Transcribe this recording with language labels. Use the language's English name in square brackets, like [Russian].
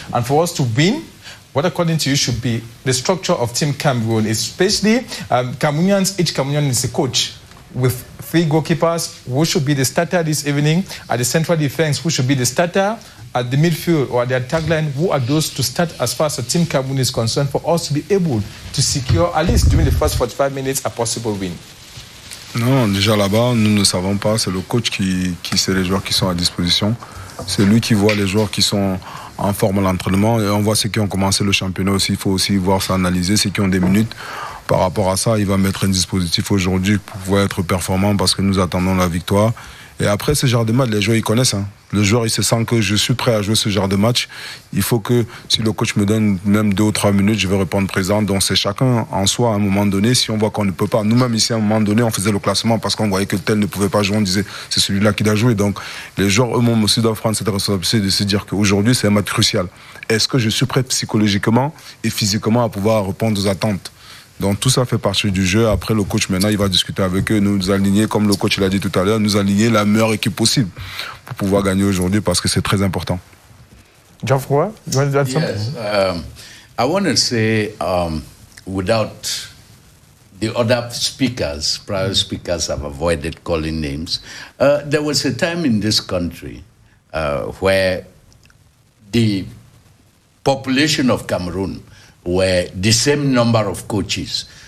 [English] And for us to win, what according to you should be the structure of Team Cameroon, especially Cameroonians, each Cameroonian is a coach with three goalkeepers. Who should be the starter this evening? At the central defense, who should be the starter? At the midfield or at the attack line, who are those to start as far as the Team Cameroon is concerned for us to be able to secure, at least during the first 45 minutes, a possible win? [French] Non, déjà là-bas, nous ne savons pas. C'est le coach qui sait les joueurs qui sont à disposition. C'est lui qui voit les joueurs qui sont en forme à l'entraînement. Et on voit ceux qui ont commencé le championnat aussi. Il faut aussi voir s'analyser, ceux qui ont des minutes. Par rapport à ça, il va mettre un dispositif aujourd'hui pour pouvoir être performant parce que nous attendons la victoire. Et après, ce genre de match, les joueurs, ils connaissent. Le joueur, il se sent que je suis prêt à jouer ce genre de match. Il faut que, si le coach me donne même 2 ou 3 minutes, je vais répondre présent. Donc, c'est chacun en soi, à un moment donné, si on voit qu'on ne peut pas. Nous-mêmes, ici, à un moment donné, on faisait le classement parce qu'on voyait que tel ne pouvait pas jouer. On disait, c'est celui-là qui doit jouer. Donc, les joueurs, eux-mêmes aussi, doivent prendre cette responsabilité de se dire qu'aujourd'hui, c'est un match crucial. Est-ce que je suis prêt psychologiquement et physiquement à pouvoir répondre aux attentes? Donc tout ça fait partie du jeu. Après, le coach maintenant, il va discuter avec eux, nous aligner, comme le coach l'a dit tout à l'heure, nous aligner la meilleure équipe possible pour pouvoir gagner aujourd'hui, parce que c'est très important. [English] Geoffroy, you want to add something? Yes. I want to say, without the other speakers, prior speakers have avoided calling names, there was a time in this country where the population of Cameroon were the same number of coaches.